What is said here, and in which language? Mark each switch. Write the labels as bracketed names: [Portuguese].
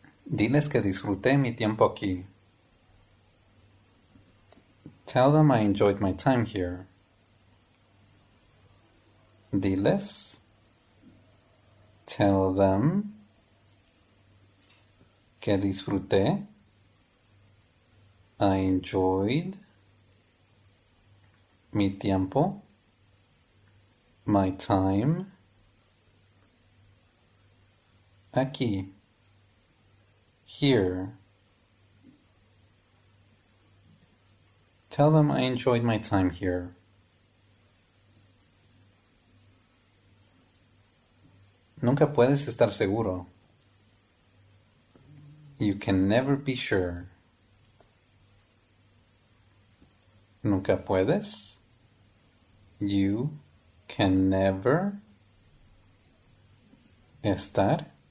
[Spanish] Diles que disfruté mi tiempo aquí. [English] Tell them I enjoyed my time here. [Spanish] Diles. [English] Tell them. [Spanish] Que disfruté. [English] I enjoyed. [Spanish] Mi tiempo. [English] My time. [Spanish] Aquí. [English] Here. Tell them I enjoyed my time here. [Spanish] Nunca puedes estar seguro. [English] You can never be sure. [Spanish] Nunca puedes. [English] You can never [Spanish] estar.